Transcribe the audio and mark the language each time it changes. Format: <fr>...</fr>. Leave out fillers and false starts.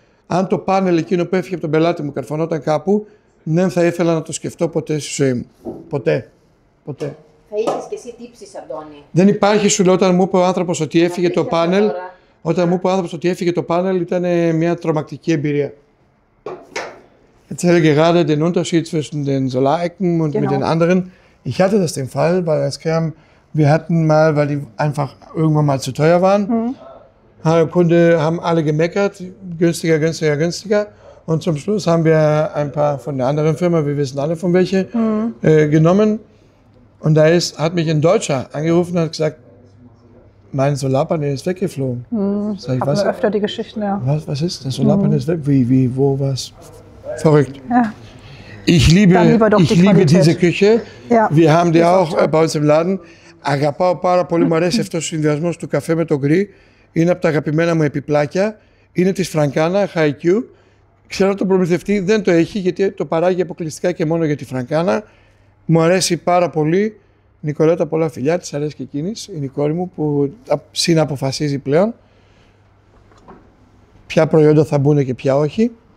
<el>Αν το πάνελ εκείνο που έφυγε από τον πελάτη μου καρφωνόταν κάπου, δεν θα ήθελα να το σκεφτώ ποτέ στη ζωή μου. Ποτέ. Ποτέ. Θα είχες και εσύ τύψεις, Αντώνη. Δεν υπάρχει, σου λέω, όταν μου είπε ο άνθρωπος ότι έφυγε το πάνελ. Όταν μου είπε ο άνθρωπος ότι έφυγε το πάνελ, ήταν μια τρομακτική εμπειρία. Έτσι έλεγε,</el> <de>gerade den Unterschied zwischen den Solaiken und mit den anderen. Ich hatte das den Fall, weil es kam, wir hatten mal, weil die einfach irgendwann mal zu teuer waren. Kunde haben alle gemeckert, günstiger, günstiger, günstiger. Und zum Schluss haben wir ein paar von der anderen Firma, wir wissen alle von welche, genommen. Und da hat mich ein Deutscher angerufen und hat gesagt, mein Solarpanel ist weggeflogen. Sag ich, was? Haben wir öfter die Geschichten, ja. Was ist? Das Solarpanel ist weg? Wie, wo, was? Verrückt. Ja. Ich liebe diese Küche. Ja. Wir haben die auch bei uns im Laden.</de> <el>Αγαπάω πάρα πολύ, μου αρέσει αυτός ο συνδυασμός του καφέ με το γκρι. Είναι από τα αγαπημένα μου επιπλάκια. Είναι της Φραγκάνα, HiQ. Ξέρω τον προμηθευτή, δεν το έχει γιατί το παράγει αποκλειστικά και μόνο για τη Φραγκάνα. Μου αρέσει πάρα πολύ. Νικολέτα, πολλά φιλιά, της αρέσει και εκείνης, είναι η κόρη μου που συναποφασίζει πλέον ποια προϊόντα θα μπουν και ποια όχι.</el>